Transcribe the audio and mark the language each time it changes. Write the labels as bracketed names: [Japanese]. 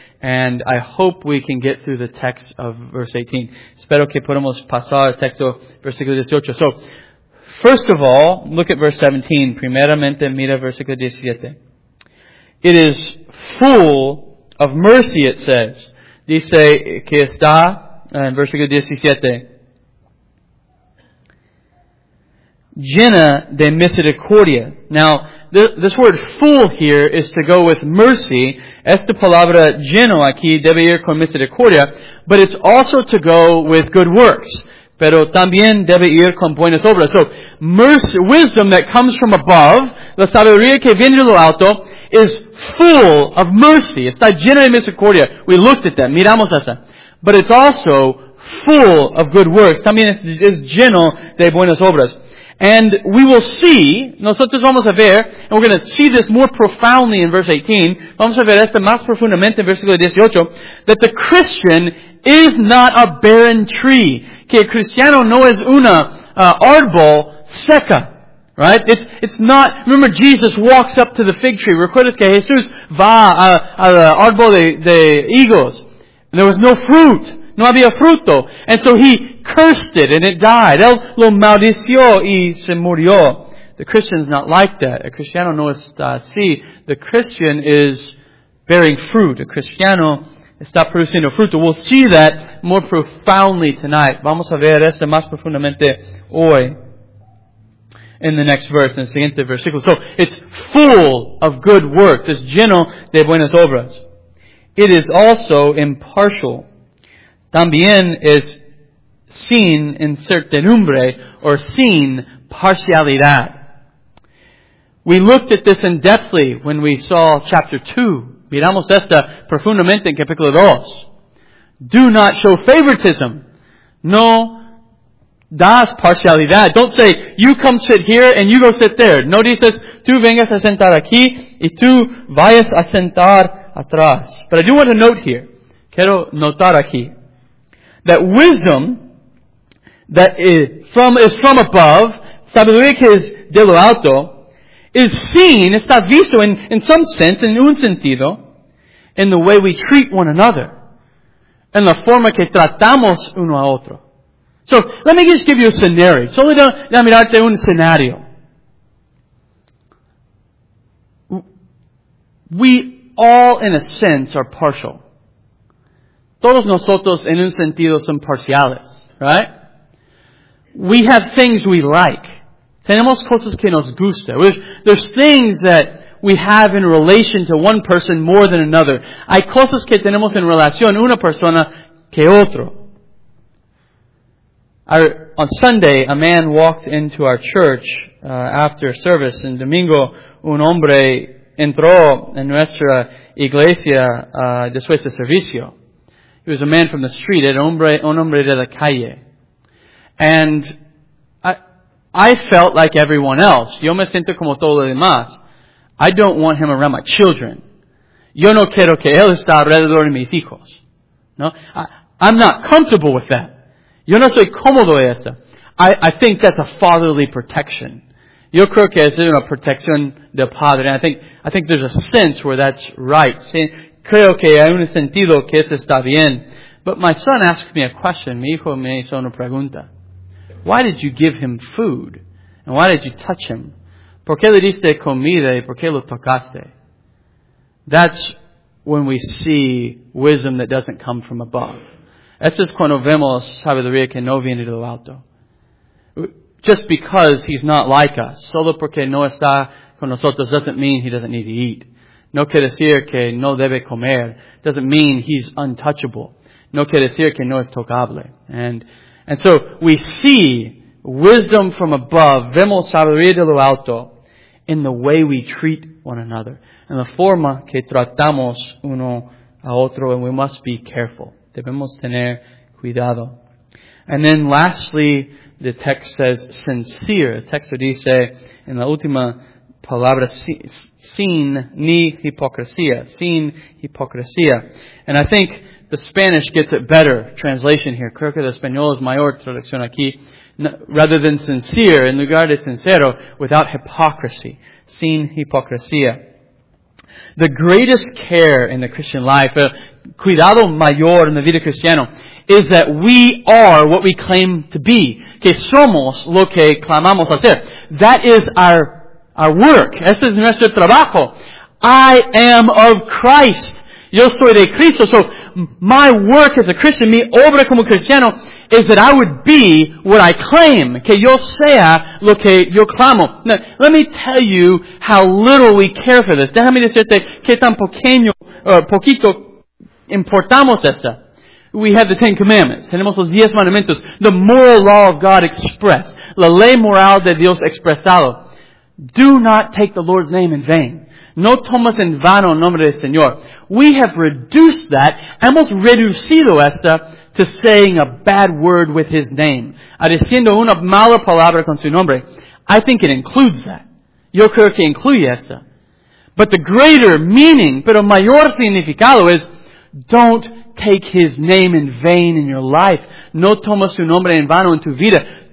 [English] And I hope we can get through the text of verse 18. [Spanish] Espero que podamos pasar el texto versículo 18. [English] So, first of all, look at verse 17. [Spanish] Primeramente mira versículo 17. [English] It is full of mercy, it says. [Spanish] Dice que está en versículo 17. Llena de misericordia. [English] Now, this word full here is to go with mercy. [Spanish] Esta palabra lleno aquí debe ir con misericordia. [English] But it's also to go with good works. [Spanish] Pero también debe ir con buenas obras. [English] So, mercy, wisdom that comes from above, [Spanish] la sabiduría que viene de lo alto, [English] is full of mercy. [Spanish] Está llena de misericordia. [English] We looked at that. [Spanish] Miramos esa. [English] But it's also full of good works. [Spanish] También es lleno de buenas obras. [English] And we will see, [Spanish] nosotros vamos a ver, [English] and we're going to see this more profoundly in verse 18, [Spanish] vamos a ver esto más profundamente en versículo 18, [English] that the Christian is not a barren tree. [Spanish] Que el cristiano no es una árbol seca. [English] Right? It's not, remember Jesus walks up to the fig tree. [Spanish] Recuerdas que Jesús va a la árbol de higos. [English] And there was no fruit. [Spanish] No había fruto. [English] And so he cursed it and it died. [Spanish] Él lo maldició y se murió. [English] The Christian is not like that. [Spanish] A cristiano no está así. [English] The Christian is bearing fruit. [Spanish] A cristiano está produciendo fruto. [English] We'll see that more profoundly tonight. [Spanish] Vamos a ver esto más profundamente hoy. [English] In the next verse, in the [Spanish] siguiente versículo. [English] So, it's full of good works. It's [Spanish] lleno de buenas obras. [English] It is also impartial. [Spanish] También es sin incertidumbre, or sin parcialidad. [English] We looked at this in depthly when we saw chapter 2. [Spanish] Miramos esta profundamente en capítulo 2. [English] Do not show favoritism. [Spanish] No das parcialidad. [English] Don't say, you come sit here and you go sit there. [Spanish] No dices, tú vengas a sentar aquí y tú vayas a sentar atrás. [English] But I do want to note here. [Spanish] Quiero notar aquí. [English] That wisdom that is from above, [Spanish] sabiduría que es de lo alto, [English] is seen, [Spanish] está visto [English] in some sense, in [Spanish] un sentido, [English] in the way we treat one another. [Spanish] En la forma que tratamos uno a otro. [English] So, let me just give you a scenario. [Spanish] Solo de mirarte un escenario. [English] we all, in a sense, are partial. [Spanish] Todos nosotros, en un sentido, son parciales, right? [English] We have things we like. [Spanish] Tenemos cosas que nos gusta. [English] There's things that we have in relation to one person more than another. [Spanish] Hay cosas que tenemos en relación una persona que otro. [English] On Sunday, a man walked into our church after service. [Spanish] En domingo, un hombre entró en nuestra iglesia después de servicio. [English] He was a man from the street, [Spanish] un hombre de la calle. [English] And I felt like everyone else. [Spanish] Yo me siento como todo lo demás. [English] I don't want him around my children. [Spanish] Yo no quiero que él esté alrededor de mis hijos. [English] No, I'm not comfortable with that. [Spanish] Yo no soy cómodo de eso. [English] I think that's a fatherly protection. [Spanish] Yo creo que es una protección de padre. [English] I think there's a sense where that's right. [Spanish] Creo que hay un sentido que eso está bien. [English] But my son asked me a question. [Spanish] Mi hijo me hizo una pregunta. [English] Why did you give him food? And why did you touch him? [Spanish] ¿Por qué le diste comida y por qué lo tocaste? [English] That's when we see wisdom that doesn't come from above. [Spanish] Eso es cuando vemos sabiduría que no viene de lo alto. [English] Just because he's not like us, [Spanish] solo porque no está con nosotros, [English] doesn't mean he doesn't need to eat. [Spanish] No quiere decir que no debe comer. [English] Doesn't mean he's untouchable. [Spanish] No quiere decir que no es tocable. [English] And so we see wisdom from above, [Spanish] vemos sabiduría de lo alto, [English] in the way we treat one another, in the [Spanish] forma que tratamos uno a otro, [English] and we must be careful. [Spanish] Debemos tener cuidado. [English] And then lastly, the text says sincere. The text [Spanish] dice, en la última palabra, sin ni hipocresía. Sin hipocresía. [English] And I think the Spanish gets it better translation here. [Spanish] Creo que el español es mayor traducción aquí. [English] Rather than sincere, [Spanish] en lugar de sincero, [English] without hypocrisy. [Spanish] Sin hipocresía. [English] The greatest care in the Christian life, [Spanish] cuidado mayor en la vida cristiana, [English] is that we are what we claim to be. [Spanish] Que somos lo que clamamos hacer. [English] That is our work. [Spanish] Ese es nuestro trabajo. [English] I am of Christ. [Spanish] Yo soy de Cristo. [English] So my work as a Christian, [Spanish] mi obra como cristiano, [English] is that I would be what I claim. [Spanish] Que yo sea lo que yo clamo. [English] Now, let me tell you how little we care for this. [Spanish] Déjame decirte que tan pequeño, poquito importamos esto. [English] We have the Ten Commandments. [Spanish] Tenemos los diez mandamientos. [English] The moral law of God expressed. [Spanish] La ley moral de Dios expresado. [English] Do not take the Lord's name in vain. [Spanish] No tomas en vano el nombre del Señor. [English] We have reduced that, [Spanish] hemos reducido esta, [English] to saying a bad word with his name. [Spanish] A diciendo una mala palabra con su nombre. [English] I think it includes that. [Spanish] Yo creo que incluye esta. [English] But the greater meaning, [Spanish] pero mayor significado [English] is, don't take his name in vain in your life. [Spanish] No tomas su nombre en vano en tu vida.